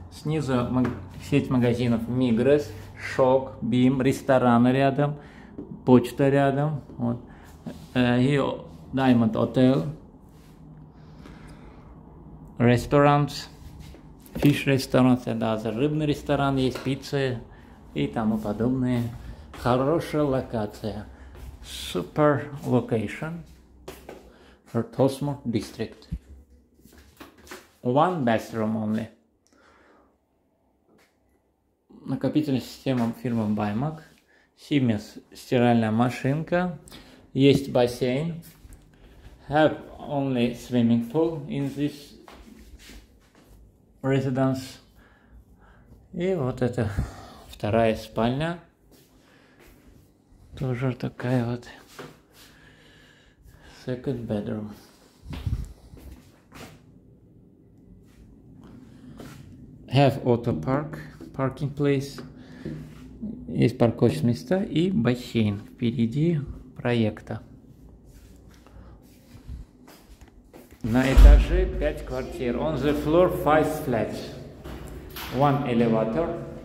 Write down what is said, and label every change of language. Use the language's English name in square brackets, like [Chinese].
[Russian] Снизу сеть магазинов Migros, Shock, Beam, ресторан рядом, почта рядом. Вот. [English] Here Diamond Hotel. Restaurants, fish restaurants, [Russian] да, за рыбный ресторан есть, пицца и тому подобное. Хорошая локация. [English] Super location for Tosmur district. One bathroom only. [Russian] Накопительная система фирмы Баймак. Siemens стиральная машинка. Есть бассейн. [English] Have only swimming pool in this residence. [Russian] И вот это вторая спальня. Тоже такая вот. [English] Second bedroom. Have auto park, parking place. [Russian] Есть парковочные места и бассейн впереди проекта. На этаже 5 квартир. [English] On the floor 5 flats. One elevator.